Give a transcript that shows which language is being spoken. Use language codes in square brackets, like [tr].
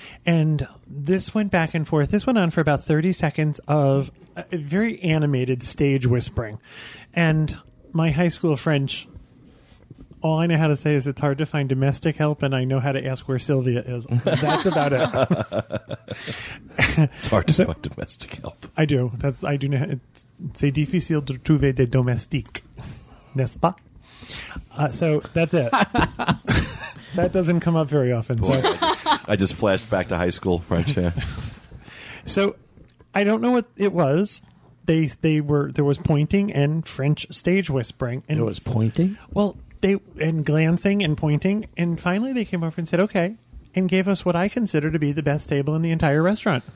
[en] And this went back and forth. This went on for about 30 seconds of a very animated stage whispering. And my high school French, all I know how to say is it's hard to find domestic help, and I know how to ask where Sylvia is. That's about it. It's hard to find domestic help. I do. I do know. [fr] C'est difficile de trouver des domestiques, n'est-ce pas? [en] So that's it. That doesn't come up very often. Boy, I just flashed back to high school French. Yeah. So I don't know what it was. They were, there was pointing and French stage whispering. And there was pointing? Well, and glancing and pointing. And finally they came over and said, okay, and gave us what I consider to be the best table in the entire restaurant.